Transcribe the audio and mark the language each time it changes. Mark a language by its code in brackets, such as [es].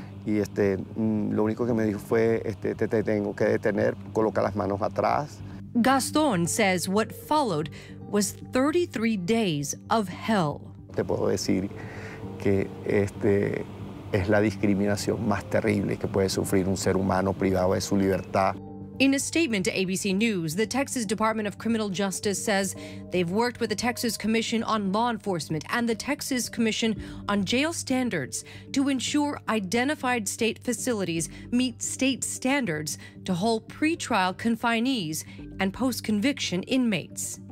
[es] Y lo único que me dijo fue, te tengo que detener. Coloca las manos atrás. [en] Gaston says what followed was 33 days of hell. [es] Te puedo decir que es la discriminación más terrible que puede sufrir un ser humano privado de su libertad. [en] In a statement to ABC News, the Texas Department of Criminal Justice says they've worked with the Texas Commission on Law Enforcement and the Texas Commission on Jail Standards to ensure identified state facilities meet state standards to hold pretrial confinees and post-conviction inmates.